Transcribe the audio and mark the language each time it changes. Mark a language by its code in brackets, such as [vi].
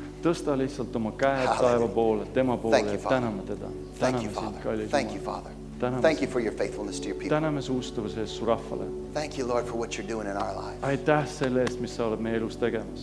[et] Tõsta lihtsalt oma käed taeva poole, tema poole [en] thank [et] ja täname teda. [en] Thank you, Father. Thank you, Father. Thank you for your faithfulness to your people. [et] Täname su ustavuses su rahvale. [en] Thank you, Lord, for what you're doing in our lives. [et] Aitäh selle eest, mis sa oled meie elus tegemas.